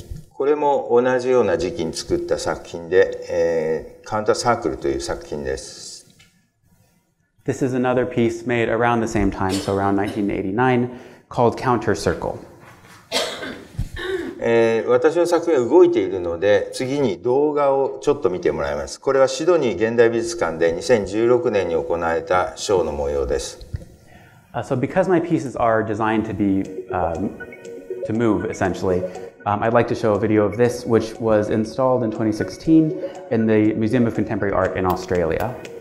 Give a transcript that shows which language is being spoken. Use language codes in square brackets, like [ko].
[ja] これも同じような時期に作った作品で、カウンターサークルという作品です。 [en] This is another piece made around the same time, so around 1989, called Counter Circle. [ja] 私の作品は動いているので、次に動画をちょっと見てもらいます。これはシドニー現代美術館で2016年に行われたショーの模様です。 [en] So because my pieces are designed to be, to move, essentially, I'd like to show a video of this, which was installed in 2016 in the Museum of Contemporary Art in Australia.